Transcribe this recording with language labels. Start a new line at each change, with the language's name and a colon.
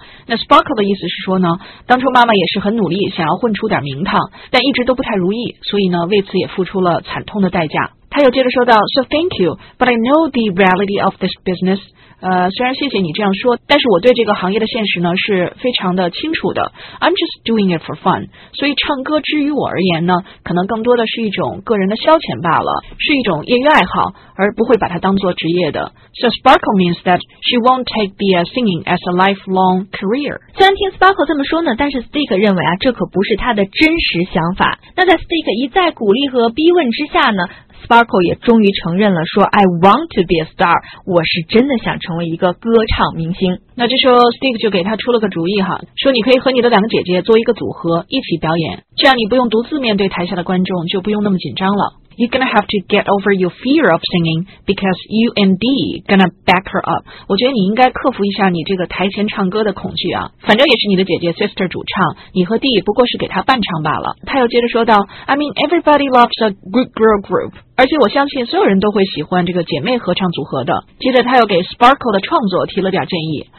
Chinese: 那 Sparkle 的意思是说呢，当初妈妈也是很努力，想要混出点名堂，但一直都不太如意，所以呢，为此也付出了惨痛的代价。他又接着说道
English: So thank you, but I know the reality of this business.
Chinese: 虽然谢谢你这样说，但是我对这个行业的现实呢是非常的清楚的。
English: I'm just doing it for fun.
Chinese: 所以唱歌至于我而言呢，可能更多的是一种个人的消遣罢了，是一种业余爱好，而不会把它当做职业的。
English: So Sparkle means that she won't take the singing as a lifelong career.
Chinese: 虽然听 Sparkle 这么说呢，但是 Stick 认为啊，这可不是他的真实想法。那在 Stick 一再鼓励和逼问之下呢，Sparkle 也终于承认了说
English: I want to be a star
Chinese: 我是真的想成为一个歌唱明星那这时候 Stick 就给他出了个主意哈，说你可以和你的两个姐姐做一个组合一起表演这样你不用独自面对台下的观众就不用那么紧张了
English: You're gonna have to get over your fear of singing because you and Dee gonna back her up
Chinese: 我觉得你应该克服一下你这个台前唱歌的恐惧啊反正也是你的姐姐 Sister 主唱你和 Dee 不过是给她伴唱罢了他又接着说道
English: I mean everybody loves a good girl group
Chinese: 而且我相信所有人都会喜欢这个姐妹合唱组合的接着他又给 Sparkle 的创作提了点建议